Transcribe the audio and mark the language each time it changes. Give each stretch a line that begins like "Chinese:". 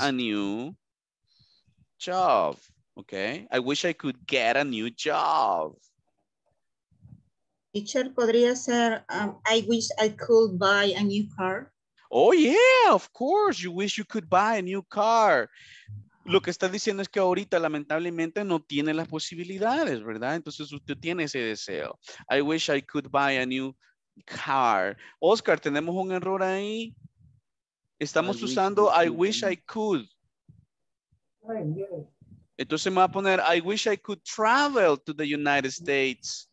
English: A new job. Okay. I wish I could get a new job. Teacher,
Spanish: podría ser,
English: I wish I could buy a new car. Oh, yeah, of course. You wish you could buy a new car.
Spanish: Lo que está diciendo es que ahorita, lamentablemente, no tiene las posibilidades, ¿verdad? Entonces, usted tiene ese deseo.
English: I wish I could buy a new car. Oscar,
Spanish: tenemos un error ahí. Estamos usando
English: I wish I could.
Spanish: Entonces, me va a poner
English: I wish I could travel to the United States.